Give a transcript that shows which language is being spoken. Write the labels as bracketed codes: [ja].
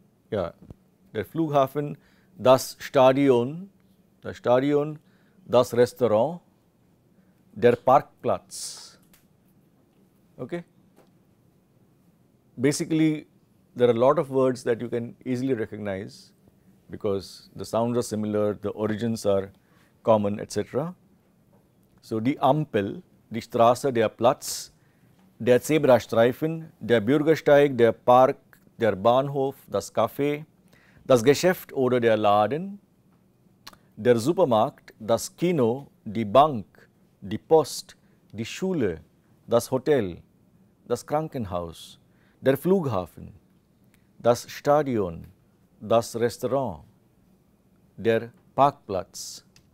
[de] Der Flughafen, das Stadion, das Restaurant, der Parkplatz. [en] Okay? Basically, there are a lot of words that you can easily recognize because the sounds are similar, the origins are common, etc. [de] So, die Ampel, die Straße, der Platz, der Zebrastreifen, der Bürgersteig, der Park, der Bahnhof, das Café, das Geschäft oder der Laden, der Supermarkt, das Kino, die Bank, die Post, die Schule, das Hotel, das Krankenhaus, der Flughafen, das Stadion, das Restaurant, der Parkplatz.